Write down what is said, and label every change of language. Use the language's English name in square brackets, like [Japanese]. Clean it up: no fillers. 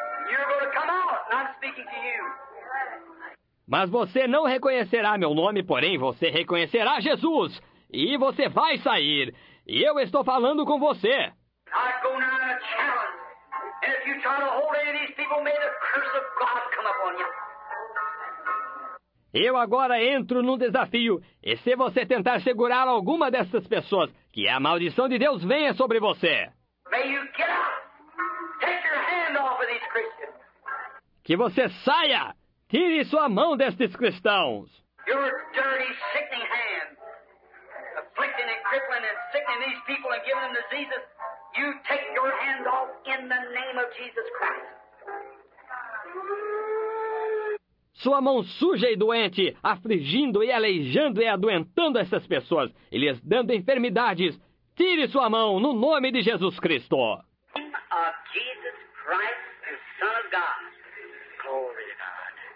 [English] You're going to come out, and I'm speaking to you. [Portuguese] Mas você não reconhecerá meu nome, porém você reconhecerá Jesus. E você vai sair. E eu estou falando com você. [English] I go now in a challenge. And if you try to hold any of these people, may the curse of God come upon you. [Portuguese] Eu agora entro num desafio. E se você tentar segurar alguma dessas pessoas, que a maldição de Deus venha sobre você. [English] May you get out. Take your hand off of these Christians. [Portuguese] Que você saia. Tire sua mão destes cristãos. [English] Your dirty, sickening hand. Afflicting and crippling and sickening these people and giving them diseases. You take your hand off in the name of Jesus Christ. [Portuguese] Sua mão suja e doente, afligindo e aleijando e adoentando essas pessoas, e lhes dando enfermidades. Tire sua mão no nome de Jesus Cristo. [English] Of Jesus Christ, the Son of God. Glory to God.